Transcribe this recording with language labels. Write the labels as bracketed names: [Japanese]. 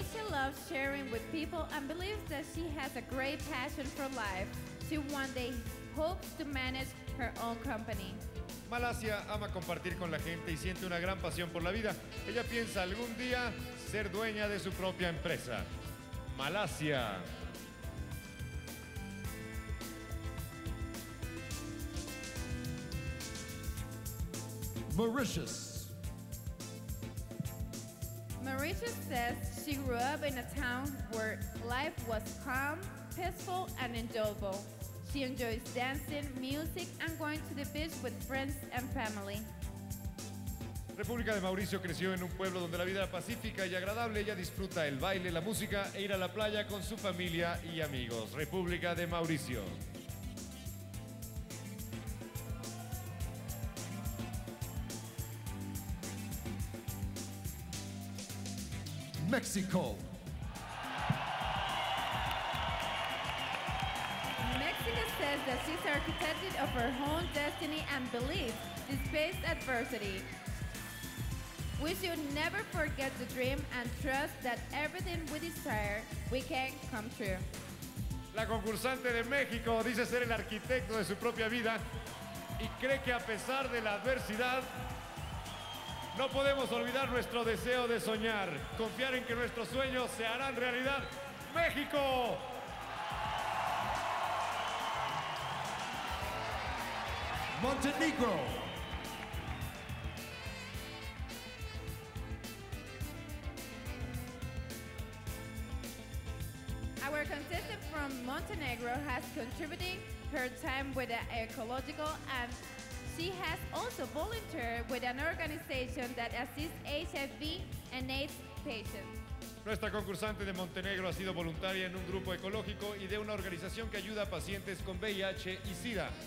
[English] loves sharing with people and believes that she has a great passion for life. She one day hopes to manage her own company. [Spanish] Malasia ama compartir con la gente y siente una gran pasión por la vida. Ella piensa algún día ser dueña de su propia empresa. Malasia. [English] Mauritius. Mauritius says she grew up in a town where life was calm, peaceful, and enjoyable. She enjoys dancing, music, and going to the beach with friends and family. [Spanish] República de Mauricio creció en un pueblo donde la vida era pacífica y agradable. Ella disfruta el baile, la música e ir a la playa con su familia y amigos. República de Mauricio. [English] Mexico. Mexico says that she's the architect of her own destiny and believes she's faced adversity. We should never forget the dream and trust that everything we desire, we can come true. [Spanish] La concursante de México dice ser el arquitecto de su propia vida y cree que a pesar de la adversidad, no podemos olvidar nuestro deseo de soñar, confiar en que nuestros sueños se harán realidad. ¡México! [English] Montenegro. Our contestant from Montenegro has contributed her time with the ecological and she has also volunteered with an organization that assists HIV and AIDS patients. [Spanish] Nuestra concursante de Montenegro ha sido voluntaria en un grupo ecológico y de una organización que ayuda a pacientes con VIH y SIDA.